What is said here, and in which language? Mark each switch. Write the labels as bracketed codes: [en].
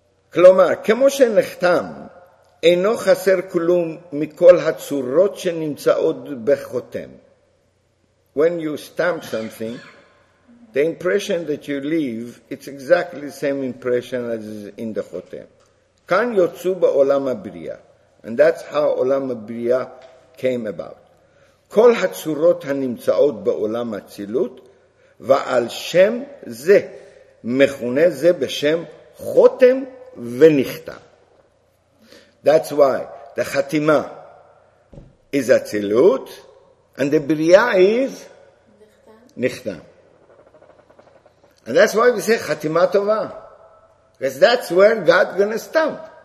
[he] Klomar, kemo shenechtam אינו חסר כלום מכל הצורות שנמצאות בחותם. [en] When you stamp something, the impression that you leave, it's exactly the same impression as in the חותם. [he] כאן יוצאו בעולם הבריאה. [en] And that's how עולם הבריאה came about. [he] כל הצורות הנמצאות בעולם הצילות, ועל שם זה, מכונה זה בשם חותם ונכתם. [en] That's why the Chatima is Atzilut and the Bria is Nichtam. And that's why we say Chatima Tova. Because that's where God is going to stamp.